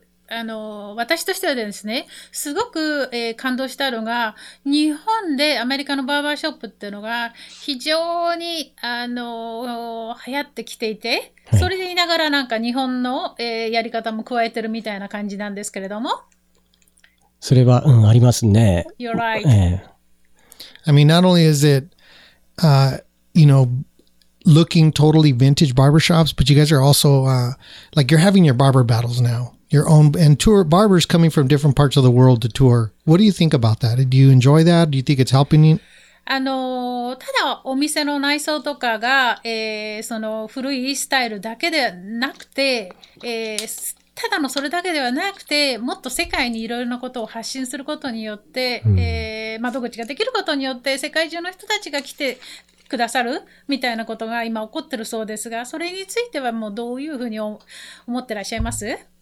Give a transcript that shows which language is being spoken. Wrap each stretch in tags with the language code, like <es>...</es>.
<ja>私としてはですね、すごく、感動したのが、日本でアメリカのバーバーショップっていうのが非常に、流行ってきていて、それでいながらなんか日本の、やり方も加えてるみたいな感じなんですけれども。それは、ありますね。</ja> <en>You're right. I mean, not only is it, you know,looking totally vintage barbershops, but you guys are also, like you're having your barber battles now, your own, and tour barbers coming from different parts of the world to tour. What do you think about that? Do you enjoy that? Do you think it's helping you?</en> <ja>ただお店の内装とかが、その古いスタイルだけではなくて、ただのそれだけではなくて、もっと世界にいろいろなことを発信することによって、窓口ができることによって、世界中の人たちが来て、くださるみたいなことが今起こってるそうですが、それについてはもうどういうふうに思ってらっしゃいます？</ja>